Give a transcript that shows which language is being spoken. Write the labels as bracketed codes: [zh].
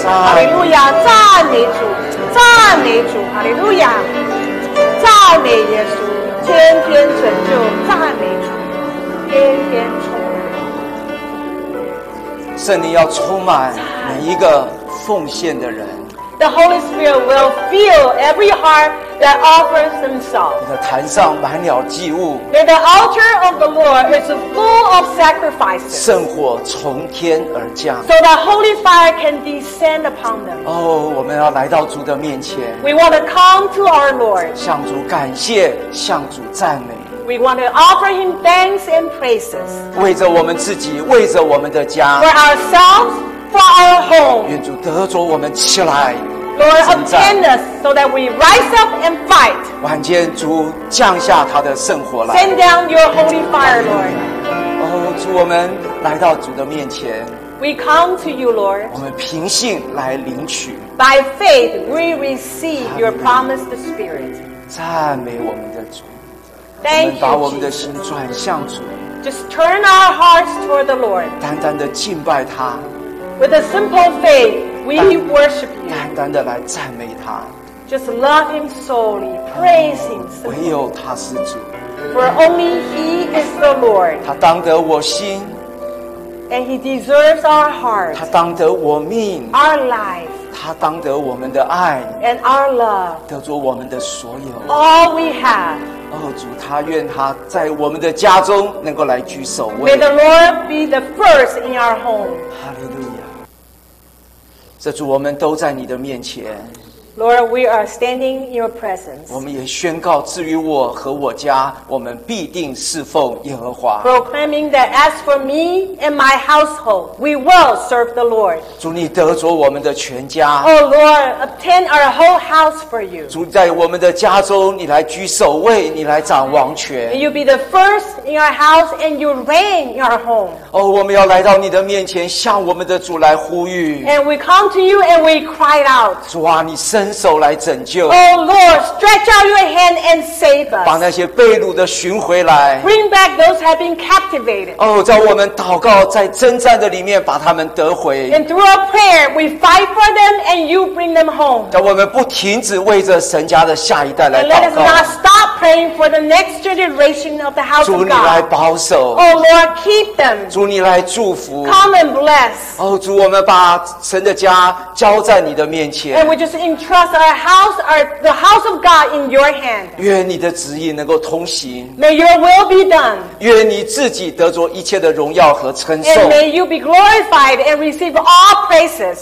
[zh] 哈利路亚，赞美主，赞美主，哈利路亚，赞美耶稣，天天拯救，赞美主。圣灵要充满每一个奉献的人。 [en] The Holy Spirit will fill every heart that offers themselves. [zh] 你的坛上满了祭物。 [en] May the altar of the Lord is full of sacrifices. [zh] 圣火从天而降。 [en] So that holy fire can descend upon them. [zh] 哦，我们要来到主的面前。 [en] We want to come to our Lord. [zh] 向主感谢，向主赞美。 [en] We want to offer him thanks and praises. [zh] 为着我们自己，为着我们的家。 [en] For ourselves, for our home. [zh] 愿主得着我们起来。 [en] Lord, attend us so that we rise up and fight. [zh] 晚间主降下他的圣火来。 [en] Send down your holy fire, Lord. [zh] 哦，主我们来到主的面前。 [en] We come to you, Lord. [zh] 我们凭信来领取。 [en] By faith, we receive your promised spirit. [zh] 赞美我们的主。 [en] Thank you, [zh] 我们把我们的心转向主。 [en] Just turn our hearts toward the Lord. [zh] 单单的敬拜他。 [en] With a simple faith, we worship you. [zh] 单单的来赞美他。 [en] Just love him solely, praise him solely. [zh] 唯有他是主。 [en] For only he is the Lord. [zh] 他当得我心。 [en] And he deserves our heart. [zh] 他当得我命。 [en] Our life. [zh] 他当得我们的爱 [en] and our love, [zh] 得着我们的所有 [en] all we have. [zh] 哦，主，他愿他在我们的家中能够来居首位。 [en] May the Lord be the first in our home. [zh] 哈利路亚。这主，我们都在你的面前。 [en] Lord, we are standing in your presence. [zh] 我们也宣告，至于我和我家，我们必定侍奉耶和华。 [en] Proclaiming that as for me and my household, we will serve the Lord. [zh] 主，你得着我们的全家。 [en] Oh Lord, obtain our whole house for you. [zh] 主，在我们的家中，你来居首位，你来掌王权。 [en] You be the first in our house and you reign in our home. [zh] 哦，我们要来到你的面前，向我们的主来呼吁。 [en] And we come to you and we cry out. [zh] 主啊，你伸手来拯救。 [en] Oh Lord, stretch out your hand and save us. [zh] 把那些被掳的寻回来。 [en] Bring back those who have been captivated. [zh] 哦，在我们祷告在征战的里面把他们得回。 [en] And through our prayer, we fight for them and you bring them home. [zh] 叫我们不停止为着神家的下一代来祷告。 [en] And let us not stop praying for the next generation of the house of God. [zh] 主你来保守。 [en] Oh Lord, keep them. [zh] 主你来祝福。 [en] Come and bless. [zh] 哦，主我们把神的家交在你的面前。 [en] And we just entrust our house, our, the house of God in your hand. [zh] 愿你的旨意能够通行。 [en] May your will be done. [zh] 愿你自己得着一切的荣耀和称颂。 [en] And may you be glorified and receive all praises.